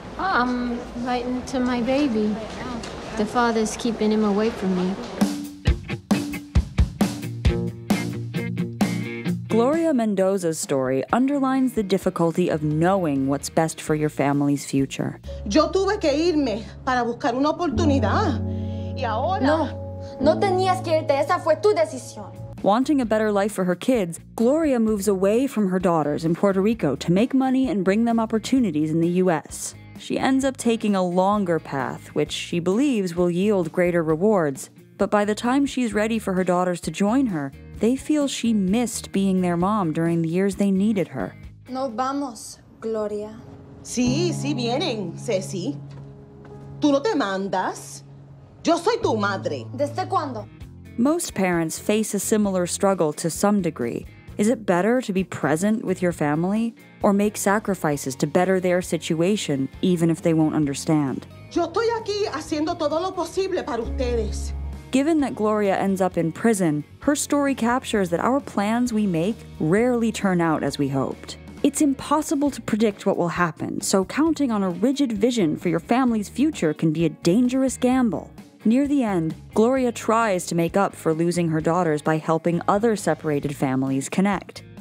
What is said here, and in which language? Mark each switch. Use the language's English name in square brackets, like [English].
[English] I'm writing to my baby. The father's keeping him away from me. Gloria Mendoza's story underlines the difficulty of knowing what's best for your family's future. [Spanish] Yo tuve que irme para buscar una oportunidad. Y ahora... No. No tenías que irte, esa fue tu decisión. [English] Wanting a better life for her kids, Gloria moves away from her daughters in Puerto Rico to make money and bring them opportunities in the U.S. She ends up taking a longer path, which she believes will yield greater rewards. But by the time she's ready for her daughters to join her, they feel she missed being their mom during the years they needed her. [Spanish] Nos vamos, Gloria. Sí, sí, vienen, Ceci. Tú no te mandas. Yo soy tu madre. ¿Desde cuándo? [English] Most parents face a similar struggle to some degree. Is it better to be present with your family or make sacrifices to better their situation, even if they won't understand? [Spanish] Yo estoy aquí haciendo todo lo posible para ustedes. [English] Given that Gloria ends up in prison, her story captures that our plans we make rarely turn out as we hoped. It's impossible to predict what will happen, so counting on a rigid vision for your family's future can be a dangerous gamble. Near the end, Gloria tries to make up for losing her daughters by helping other separated families connect.